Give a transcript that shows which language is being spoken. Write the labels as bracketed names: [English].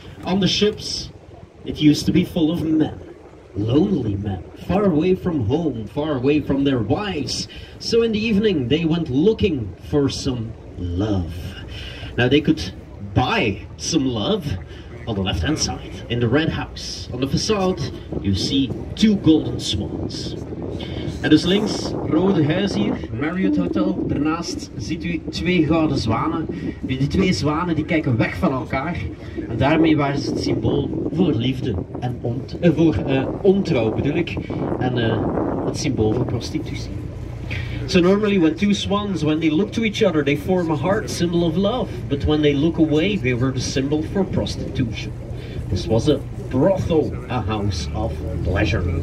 [English] On the ships, it used to be full of men. Lonely men, far away from home, far away from their wives. So in the evening, they went looking for some love. Now they could buy some love on the left-hand side, in the red house. On the facade, you see two golden swans. [Dutch] En dus links, rode huis hier, Marriott Hotel. Daarnaast ziet u twee gouden zwanen. Die twee zwanen die kijken weg van elkaar. En daarmee waren ze het symbool voor liefde en ontrouw bedoel ik. En het symbool voor prostitutie. [English] So normally when two swans, when they look to each other, they form a heart, symbol of love. But when they look away, they were the symbol for prostitution. This was a brothel, a house of pleasure.